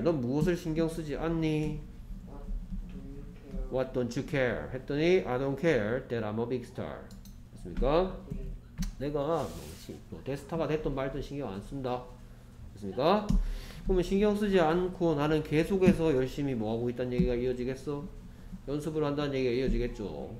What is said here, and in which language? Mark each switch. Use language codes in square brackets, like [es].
[ko] 넌 무엇을 신경 쓰지 않니? [en] What don't you care? [ko] 했더니 [en] I don't care that I'm a big star. [ko] 됐습니까? 내가 뭐 데스타가 됐든 말든 신경 안 쓴다. 됐습니까? 그러면 신경 쓰지 않고 나는 계속해서 열심히 뭐하고 있다는 얘기가 이어지겠어? 연습을 한다는 얘기가 이어지겠죠.